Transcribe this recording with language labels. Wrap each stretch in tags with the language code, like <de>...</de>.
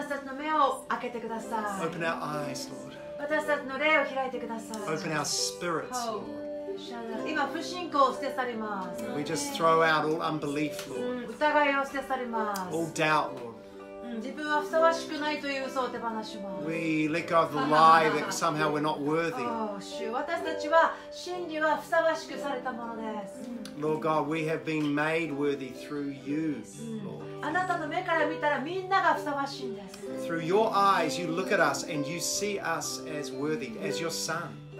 <ja>私たちの目を開けてください。</ja> <en>Open our eyes, Lord.</en> <ja>私たちの霊を開いてください。</ja> <en>Open our spirits, Lord.</en> <ja>今不信仰を捨て去ります。</ja> <en>We just throw out all unbelief, Lord.</en> <ja>疑いを捨て去ります。</ja> <en>All doubt, Lord.</en> <ja>自分はふさわしくないという嘘を手放します。</ja> <en>We let go of the lie that somehow we're not worthy.</en> <ja>主、私たちは真理はふさわしくされたものです。</ja> <en>Lord God, we have been made worthy through you, Lord.</en> <ja>あなたの目から見たらみんながふさわしいんです。</ja> <en>Through your eyes, you look at us and you see us as worthy, as your son.</en>